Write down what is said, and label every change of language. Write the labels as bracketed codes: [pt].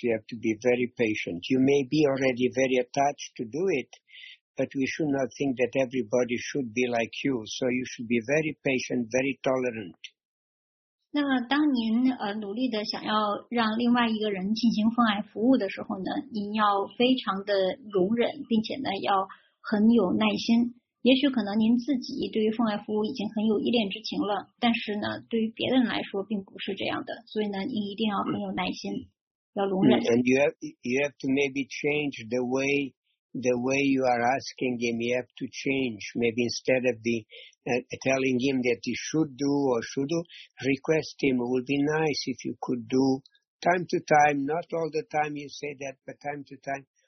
[en] You have to be very patient. You may be already very attached to do it, but we should not think that everybody should be like you. So you should be very patient, very tolerant. [zh] 那当您努力的想要让另外一个人进行奉爱服务的时候呢，您要非常的容忍，并且呢要很有耐心。也许可能您自己对于奉爱服务已经很有依恋之情了，但是呢，对于别人来说并不是这样的，所以呢，您一定要很有耐心，要容忍。 [en] And you have to maybe change the way you are asking him. You have to change. Maybe instead of telling him that he should do or should do, request him. It would be nice if you could do time to time, not all the time you say that, but time to time.